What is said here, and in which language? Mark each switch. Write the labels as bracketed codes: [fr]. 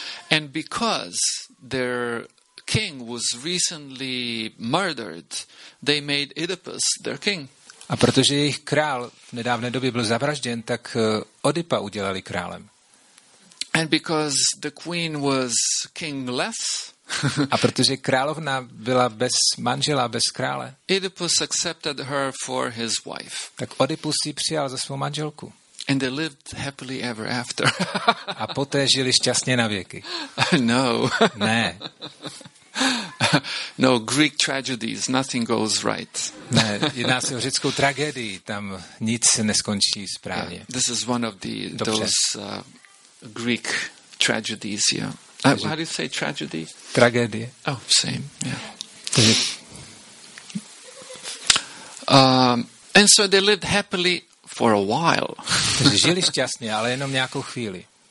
[en] And because their king was recently murdered, they made Oedipus their king. [cs] A protože jejich král v nedávné době byl zavražděn, tak Oedipa udělali králem. [en] And because the queen was kingless. [cs] A protože královna byla bez manžela, bez krále. [en] Oedipus accepted her for his wife. [cs] Tak Oedipus ji přijal za svou manželku. [en] And they lived happily ever after. [cs] A poté žili šťastně na věky. [en] No. [cs] Ne. [en] No, Greek tragedies, nothing goes right. [cs] Ne, jedná se o řeckou tragédii, tam nic neskončí správně. [en] Yeah, this is one of the those Greek tragedies, yeah. How do you say tragedy? [cs] Tragédie. [en] Oh, same, yeah. And so they lived happily for a while. [cs] Žili šťastně, ale jenom nějakou chvíli.